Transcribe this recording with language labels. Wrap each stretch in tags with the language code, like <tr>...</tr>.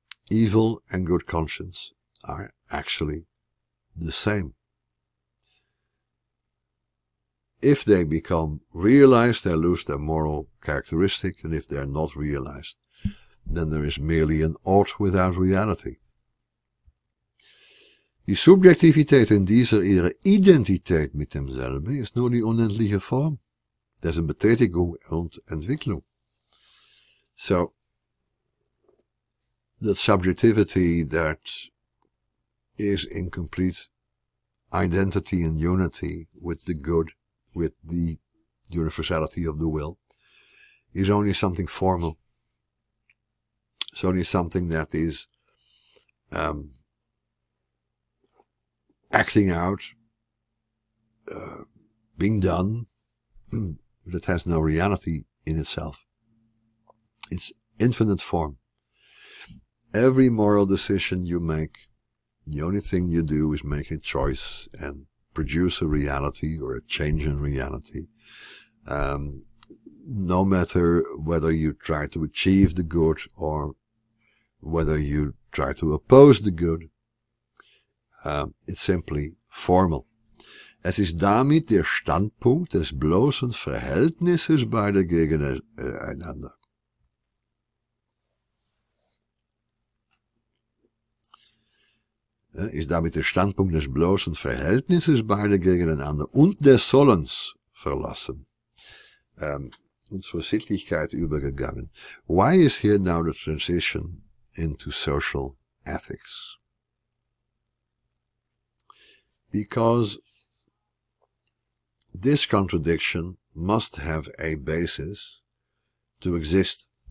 <en>Evil and good conscience are actually the same. If they become realized, they lose their moral characteristic, and if they're not realized, then there is merely an ought without reality.</en> <de>Die Subjektivität in dieser ihre Identität mit demselben ist nur die unendliche Form dessen Betätigung und Entwicklung.</de> <en>So, that subjectivity that is in complete identity and unity with the good, with the universality of the will, is only something formal. It's only something that is acting out, being done, but it has no reality in itself. It's infinite form. Every moral decision you make, the only thing you do is make a choice and produce a reality or a change in reality. No matter whether you try to achieve the good or whether you try to oppose the good, it's simply formal.</en> <de>Es ist damit der Standpunkt des bloßen Verhältnisses beider gegeneinander. Ist damit der Standpunkt des bloßen Verhältnisses beider gegeneinander und des Sollens verlassen. Und zur Sittlichkeit übergegangen.</de> <en>Why is here now the transition into social ethics? Because this contradiction must have a basis to exist.</en>